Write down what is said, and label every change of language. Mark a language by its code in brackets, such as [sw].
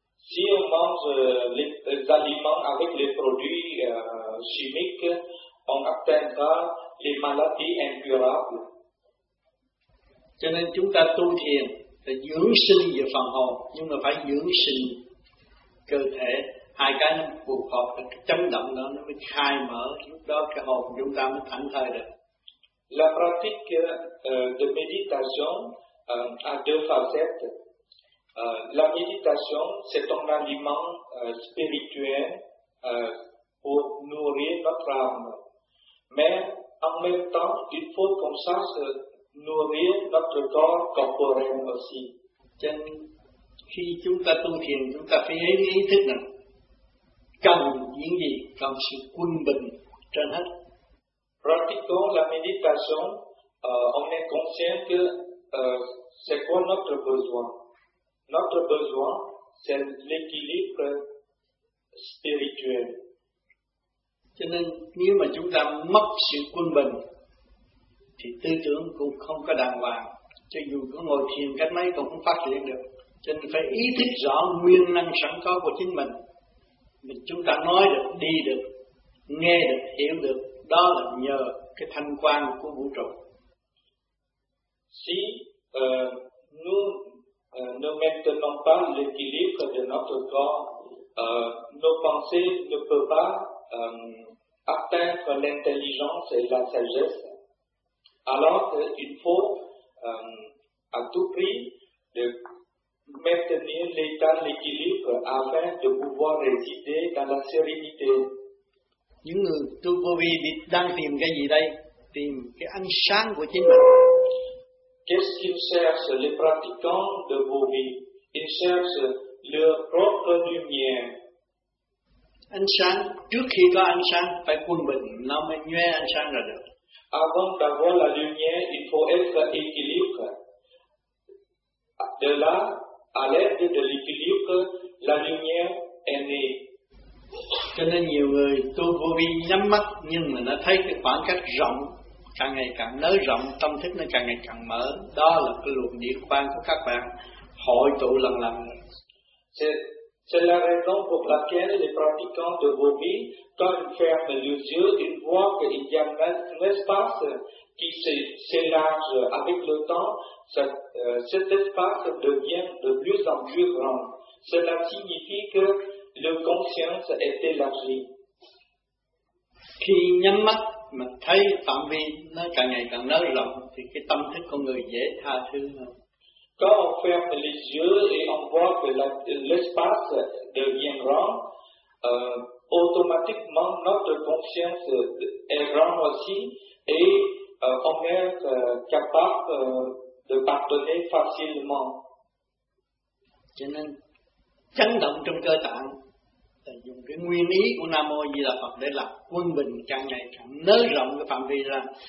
[fr] Si on mange les aliments avec les produits chimiques, on atteindra les maladies incurables. [vi] Cho nên chúng ta tu thiền là dưỡng sinh về phần hồn, nhưng mà phải dưỡng sinh cơ thể. Hai cái nó phù hợp, là cái chấn động đó nó mới khai mở, lúc đó cái hồn chúng ta mới thảnh thơi được. [fr] La pratique de méditation a deux facettes. La méditation, c'est un aliment spirituel pour nourrir notre âme. Mais en même temps, il faut comme ça se nourrir notre corps corporel aussi. [vi] Chân, khi chúng ta tu thiền, chúng ta phải hiểu ý thức là cần những gì, cần sự quân bình trên hết. [fr] Pratiquant la méditation, on est conscient que c'est quoi notre besoin. Notre besoin, c'est l'équilibre spirituel. [vi] Cho nên, nếu mà chúng ta mất sự quân bình, thì tư tưởng cũng không có đàng hoàng. Cho dù có ngồi thiền cách mấy cũng không phát triển được. Cho nên phải ý thức rõ nguyên năng sẵn có của chính mình. Mình chúng ta nói được, đi được, nghe được, hiểu được. Đó là nhờ cái thanh quang của vũ trụ. [fr] Si, ne maintenons pas l'équilibre de notre corps, nos pensées ne peuvent pas atteindre l'intelligence et la sagesse. Alors il faut à tout prix de maintenir l'état d'équilibre afin de pouvoir résider dans la sérénité. [vi] Những người tu vô vi đang tìm cái gì đây? Tìm cái ánh sáng của chính mình. [fr] Qu'est-ce qu'ils cherchent, les pratiquants de vos vies? Ils cherchent leur propre lumière. [vi] Ánh sáng, trước khi có ánh sáng, phải quân bình, nó mới nhuê ánh sáng ra được. [fr] Avant d'avoir la lumière, il faut être équilibré. De là, à l'aide de l'équilibre, la lumière est née. [vi] Cho nên nhiều người tu vô vi nhắm mắt, nhưng mà nó thấy cái khoảng cách rộng. Càng ngày càng nới rộng, tâm thức nó càng ngày càng mở. Đó là cái luồng điện quang của các bạn hội tụ lần lần. [fr] C'est la raison pour laquelle les pratiquants de vos vies, quand ils ferment les yeux, ils voient qu'il y a un espace qui s'élargit avec le temps. Cet espace devient de plus en plus grand. Cela signifie que le conscience est élargi. [vi] Khi nhắm mắt mà thấy phạm vi nó càng ngày càng nới rộng thì cái tâm thức con người dễ tha thứ hơn. [fr] Quand on ferme les yeux et on voit que l'espace devient grand, automatiquement notre conscience est grand aussi et on est capable de pardonner facilement. [vi] Cho nên chấn động trong cơ tạng. Là dùng cái nguyên ý của Nam Mô A Di Đà Phật để lập quân bình càng ngày càng nới rộng cái phạm vi ra.